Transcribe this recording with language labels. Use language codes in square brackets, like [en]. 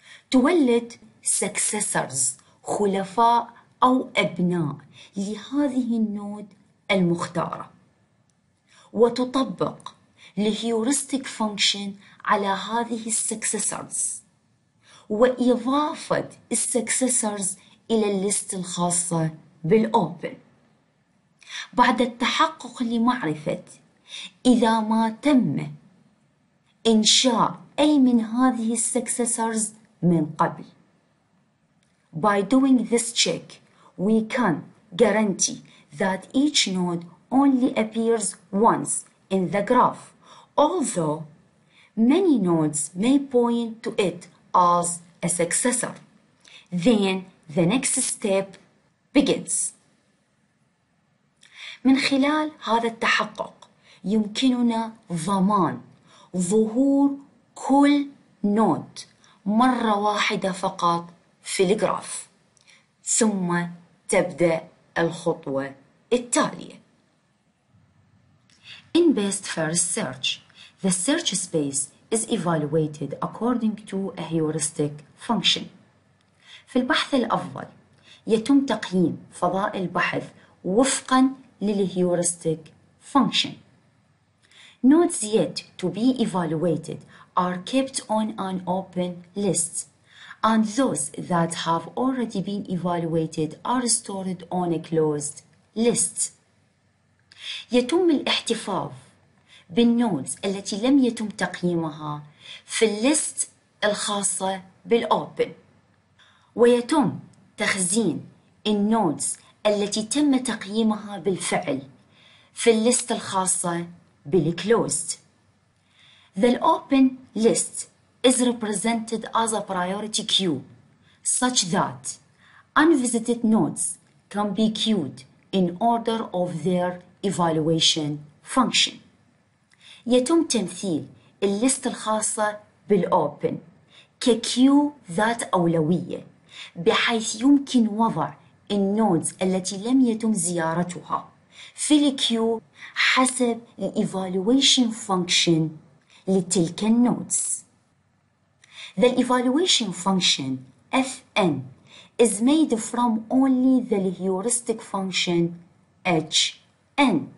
[ar] تولد successors خلفاء أو أبناء لهذه النود المختارة وتطبق الهيورستيك فانكشن على هذه successors وإضافة successors إلى الليست الخاصة بالأوبن بعد التحقق لمعرفة إذا ما تم إنشاء أي من هذه successors من قبل. [en] By doing this check, we can guarantee that each node only appears once in the graph, although many nodes may point to it as a successor. Then the next step begins. [ar] من خلال هذا التحقق يمكننا ضمان ظهور كل نود مرة واحدة فقط في الجراف ثم تبدأ الخطوة التالية. [en] In best first search, the search space is evaluated according to a heuristic function. [ar] في البحث الأفضل يتم تقييم فضاء البحث وفقا للهيورستيك function. [en] Nodes yet to be evaluated are kept on an open list, and those that have already been evaluated are stored on a closed list. [ar] يتم الاحتفاظ بالنودز التي لم يتم تقييمها في الليست الخاصة بالأوبن ويتم تخزين النودز التي تم تقييمها بالفعل في الليست الخاصة بالكلوزد. [en] The open list is represented as a priority queue such that unvisited nodes can be queued in order of their evaluation function. [ar] يتم تمثيل الليست الخاصة بالopen كcue ذات أولوية بحيث يمكن وضع النودز التي لم يتم زيارتها في الcue حسب الevaluation function لتلك النودز. [en] The evaluation function fn is made from only the heuristic function hn.